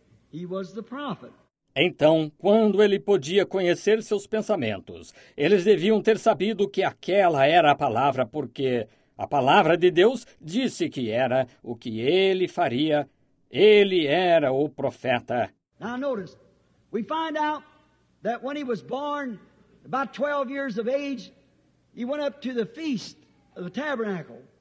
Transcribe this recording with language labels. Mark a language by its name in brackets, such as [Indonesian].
[English] He was the prophet. [Portuguese] Então, quando ele podia conhecer seus pensamentos, eles deviam ter sabido que aquela era a palavra, porque a palavra de Deus disse que era o que ele faria. Ele era o profeta. [English] Now notice, we find out that when he was born, about 12 years of age, he went up to the feast of the tabernacle.